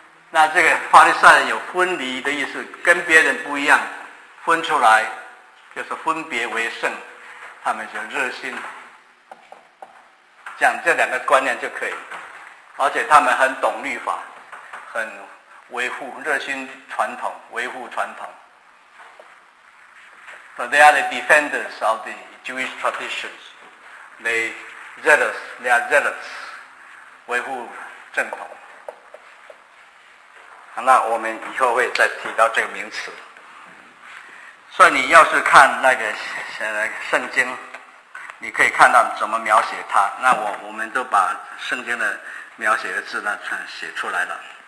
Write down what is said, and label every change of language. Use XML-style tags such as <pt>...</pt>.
<zh>那这个法利赛人有分离的意思，跟别人不一样，分出来就是分别为圣，他们就热心，讲这两个观念就可以。而且他们很懂律法，很维护热心传统，维护传统。</zh> <en>But they are the defenders of the Jewish traditions. They are zealous,</en> <zh>维护正统。那我们以后会再提到这个名词。所以你要是看那个圣经，你可以看到怎么描写它。那我们都把圣经的描写的字呢写出来了。</zh>